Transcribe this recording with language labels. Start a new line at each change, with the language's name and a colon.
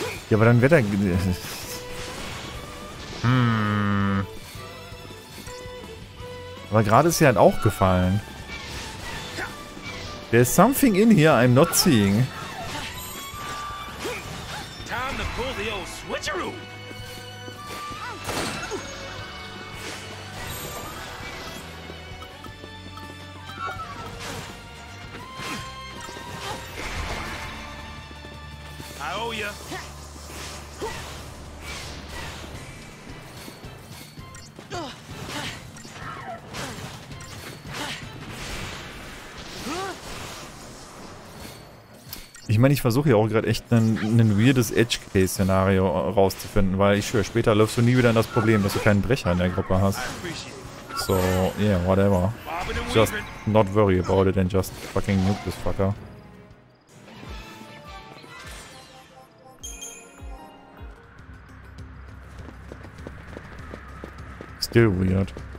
German: Ja, aber dann wird er... Aber gerade ist sie halt auch gefallen.
English: There's something in here I'm not seeing. Time to pull the old switcheroo. I owe you.
German: Ich meine, ich versuche ja auch gerade echt ein weirdes Edge-Case-Szenario rauszufinden, weil ich schwöre, später läufst du nie wieder in das Problem, dass du keinen Brecher in der Gruppe hast.
English: So, yeah, whatever. Just not worry about it and just fucking nuke this fucker. Still weird.